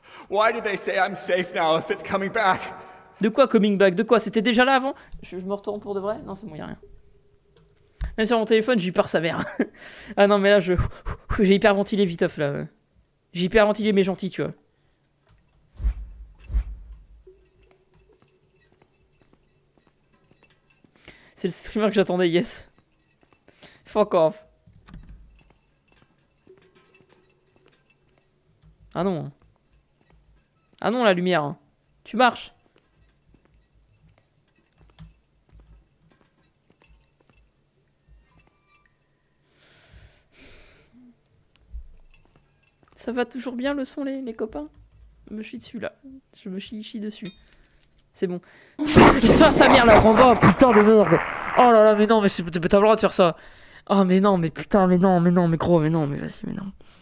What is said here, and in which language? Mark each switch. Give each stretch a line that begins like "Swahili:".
English: Why do they say I'm safe now if it's coming back?
French: De quoi
English: coming back?
French: De quoi? C'était déjà là avant? Je me retourne pour de vrai? Non, c'est bon, y'a rien. Même sur mon téléphone, j'ai peur sa mère. Ah non, mais là, j'ai hyperventilé vitof là. J'ai hyperventilé mes gentils, tu vois. C'est le streamer que j'attendais, yes.
English: Fuck off.
French: Ah non. Ah non, la lumière. Tu marches. Ça va toujours bien le son, les copains. Je me chie dessus, là. Je me chie dessus. C'est bon. Ça, sa mère, la renvoie. Putain de merde. Oh là là, mais non, mais c'est, t'as pas le droit de faire ça. Oh, mais non, mais putain, mais non, mais non, mais gros, mais non, mais vas-y, mais non.